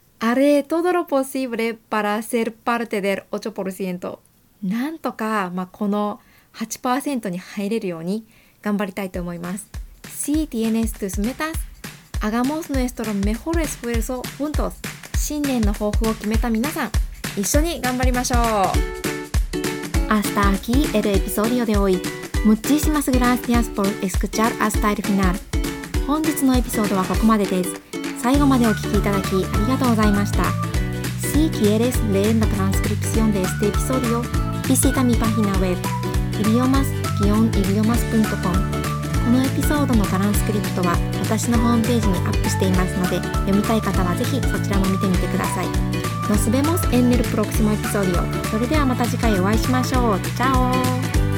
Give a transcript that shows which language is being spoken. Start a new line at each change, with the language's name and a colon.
Spanish: あれ、todo lo posible para ser parte del 8%。
Japanese: なんとか、まあ、この 8% に入れるように頑張りたいと思います。
Spanish: Si tienes tus metas, hagamos nuestro mejor esfuerzo juntos.
Japanese: 新年の抱負を決めた皆さん、一緒に頑張りましょう。
Spanish: Hasta aquí el episodio de hoy. Muchísimas gracias por escuchar hasta el final.
Japanese: 本日のエピソードはここまでです。最後までお聞きいただきありがとうございました。
Spanish: Si quieres leer la transcripción de este episodio, visita mi página web idiomas-idiomas.com。
Japanese: このエピソードのトランスクリプトは私のホームページにアップしていますので、読みたい方はぜひそちらも見てみてください。
Spanish: Nos vemos en el próximo episodio.
Japanese: それではまた次回お会いしましょう。チャオ。